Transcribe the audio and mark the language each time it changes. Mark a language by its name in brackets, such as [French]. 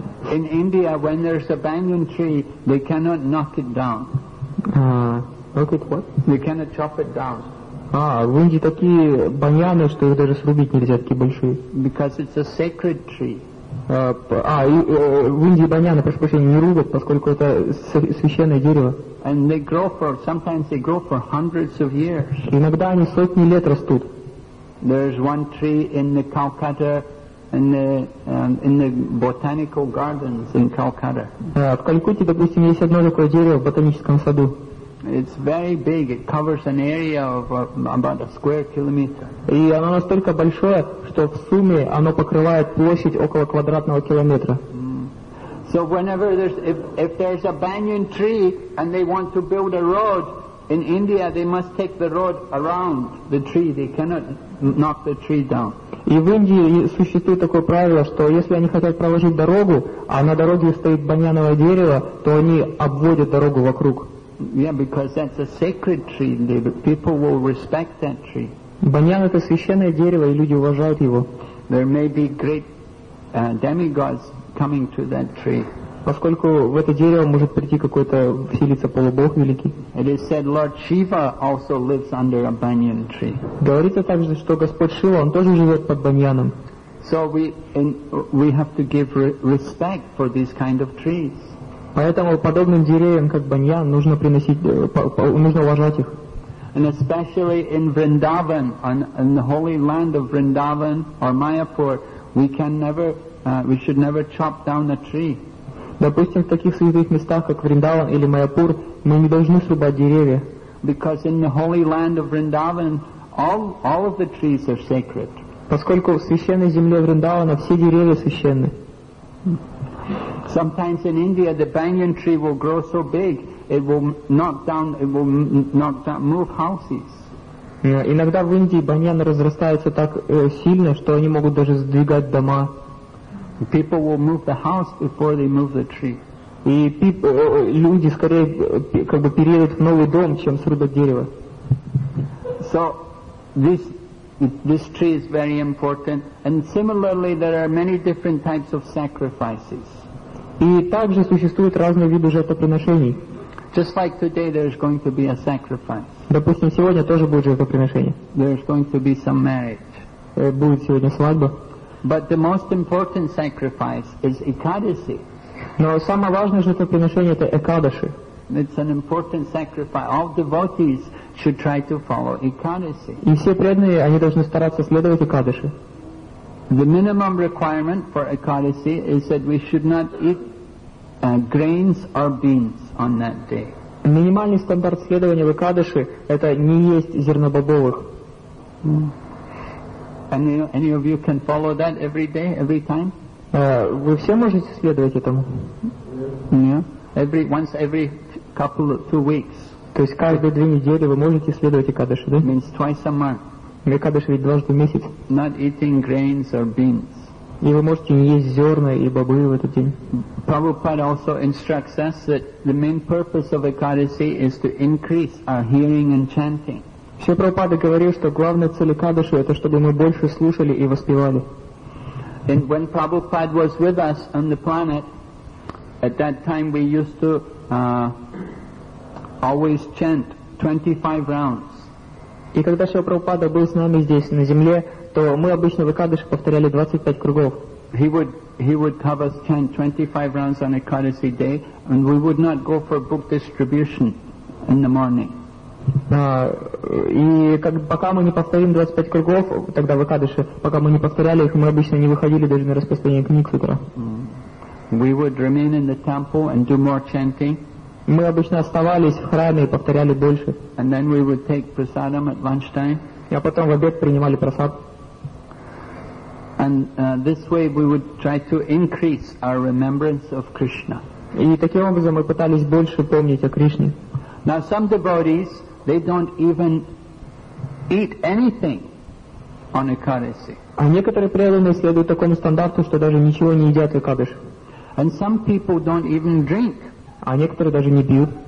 [English] In India, when there's a banyan tree, they cannot knock it down. Knock it what? They cannot chop it down. [Russian] В Индии такие баньяны, что их даже срубить нельзя, такие большие. [English] Because it's a sacred tree. [Russian] В Индии баняна, прошу прощения, не рубят, поскольку это священное дерево. [English] And they grow for, sometimes they grow for hundreds of years. [Russian] Иногда они сотни лет растут. [English] There's one tree in the Calcutta, in the botanical gardens in Calcutta. [Russian] В Калькутте, допустим, есть одно такое дерево в ботаническом саду. [English] It's very big. It covers an area of about a square kilometer. [Russian] И оно настолько большое, что в сумме оно покрывает площадь около квадратного километра. [English] So whenever there's if there's a banyan tree and they want to build a road in India, they must take the road around the tree. They cannot knock the tree down. [Russian] И в Индии существует такое правило, что если они хотят проложить дорогу, а на дороге стоит баняновое дерево, то они обводят дорогу вокруг. [English] Yeah, because that's a sacred tree. People will respect that tree. [Russian] Баньян — это священное дерево, и люди уважают его. [English] There may be great demigods coming to that tree. [Russian] Поскольку в это дерево может прийти какой-то вселиться полубог великий. [English] It is said Lord Shiva also lives under a banyan tree. [Russian] Говорится также, что Господь Шива, он тоже живет под баньяном. [English] So we have to give respect for these kind of trees. [Russian] Поэтому подобным деревьям, как баньян, нужно приносить, нужно уважать их. [English] And especially in Vrindavan, in the holy land of Vrindavan or Mayapur, we should never chop down a tree. [Russian] Допустим, в таких святых местах, как Вриндаван или Майяпур, мы не должны срубать деревья. [English] Because in the holy land of Vrindavan, all of the trees are sacred. [Russian] Поскольку в священной земле Вриндавана все деревья священны. [English] Sometimes in India the banyan tree will grow so big it will knock down move houses. [Russian] Иногда в Индии баньян разрастается так сильно, что они могут даже сдвигать дома. [English] People will move the house before they move the tree. [Russian] И люди скорее как бы переедут в новый дом, чем срубят дерево. [English] So this tree is very important, and similarly there are many different types of sacrifices. [Russian] И также существуют разные виды жертвоприношений. [English] Just like today, there is going to be a sacrifice. [Russian] Допустим, сегодня тоже будет жертвоприношение. [English] There is going to be some marriage. [Russian] Будет сегодня свадьба. [English] But the most important sacrifice is Ekadasi. [Russian] Но самое важное жертвоприношение — это Экадаши. [English] It's an important sacrifice. All devotees should try to follow Ekadasi. [Russian] И все преданные, они должны стараться следовать Экадаши. [English] The minimum requirement for Ekadasi is that we should not eat grains or beans on that day. [Russian] Минимальный стандарт следования в Экадаши – это не есть зернобобовых. [English] Any of you can follow that every day, every time? [Russian] Вы все можете следовать этому? [English] Yeah. Two weeks. [Russian] То есть каждые две недели вы можете следовать Экадаши, да? [English] Means twice a month. [Russian] Экадаши ведь дважды в месяц. [English] Not eating grains or beans. [Russian] И вы можете не есть зерна и бобы в этот день. [English] Prabhupada also instructs us that the main purpose of Ekadasi is to increase our hearing and chanting. [Russian] Все Прабхупада говорил, что главная цель Экадаши — это чтобы мы больше слушали и воспевали. [English] And when Prabhupada was with us on the planet, at that time we used to always chant 25 rounds. [Russian] И когда Шрила Прабхупада был с нами здесь, на земле, то мы обычно в Экадаши повторяли 25 кругов. [English] He would have us chant 25 rounds on Ekadasi day, and we would not go for book distribution in the morning. [Russian] Пока мы не повторим 25 кругов, тогда в Экадаши, пока мы не повторяли их, мы обычно не выходили даже на распространение книг с утра. [English] We would remain in the temple and do more chanting. [Russian] Мы обычно оставались в храме и повторяли больше. [English] And then we would take prasadam at lunchtime. [Russian] А потом в обед принимали прасад. [English] And this way we would try to increase our remembrance of Krishna. [Russian] И таким образом мы пытались больше помнить о Кришне. [English] Now some devotees, they don't even eat anything on Ekadasi. [Russian] А некоторые преданные следуют такому стандарту, что даже ничего не едят в Экадаши. [English] And some people don't even drink. [Russian] А некоторые даже не пьют.